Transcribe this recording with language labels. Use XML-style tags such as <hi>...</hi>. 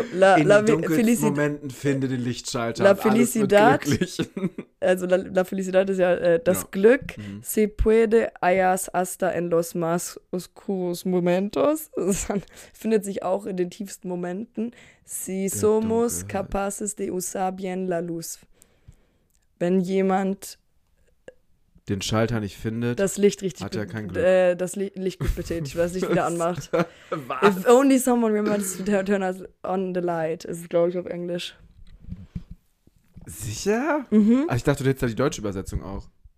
<de>in den dunkelsten Momenten finde den Lichtschalter.</de> <es>La felicidad.</es> <de>Alles wird glücklich. Also,</de> <es>la felicidad</es> <de>ist ja das Glück. Mhm.</de> <es>Se puede hallar hasta en los más oscuros momentos.</es> <de>Das findet sich auch in den tiefsten Momenten.</de> <es>Si somos capaces de usar bien la luz.</es> <de>Wenn jemand den Schalter nicht findet, das Licht richtig hat er kein Glück. Das Licht gut betätigt, weil es sich wieder anmacht. Was?</de> <en>If only someone remembers to turn on the light,</en> <de>ist es, glaube ich, auf Englisch. Sicher? Mhm. Aber ich dachte, du hättest da die deutsche Übersetzung auch.</de>